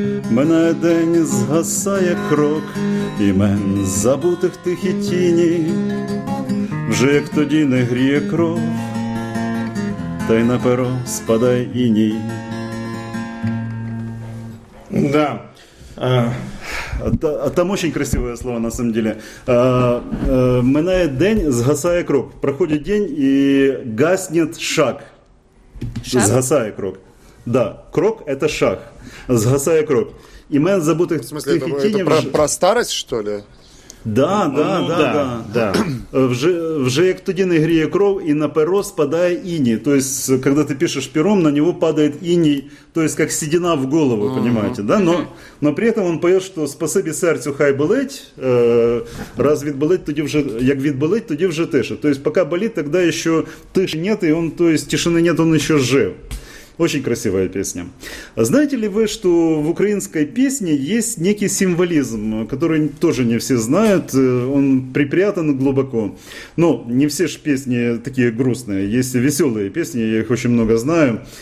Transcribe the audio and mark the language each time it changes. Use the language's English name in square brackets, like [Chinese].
[Ukrainian] мене день згасає крок, імен забутих тихі тіні, вже як тоді не гріє кров, та й на перо спадає іній. [Russian] Да. Там очень красивое слово, на самом деле. [Ukrainian] Минает день, сгасает крок. [Russian] Проходит день и гаснет шаг. Шаг? [Ukrainian] Сгасает крок. [Russian] Да, крок – это шаг. Сгасает крок. [Ukrainian] И мен забутых тихий тень. [Russian] В смысле, это про старость, что ли? Да, да, ну, да, да, да, да. [Ukrainian] Вже як тоді не гріє кров, і на перо спадає іній. [Russian] То есть, когда ты пишешь пером, на него падает іній, то есть, как седина в голову, понимаете, да? Но при этом он поет, что [Ukrainian] спасибі серцю хай болить, раз відболить, тоді вже, як відболить, тоді вже тиша. [Russian] То есть, пока болить, тогда еще тиши нет, и он, то есть, тишины нет, он еще жив. Очень красивая песня. Знаете ли вы, что в украинской песне есть некий символизм, который тоже не все знают, он припрятан глубоко. Но не все же песни такие грустные, есть веселые песни, я их очень много знаю.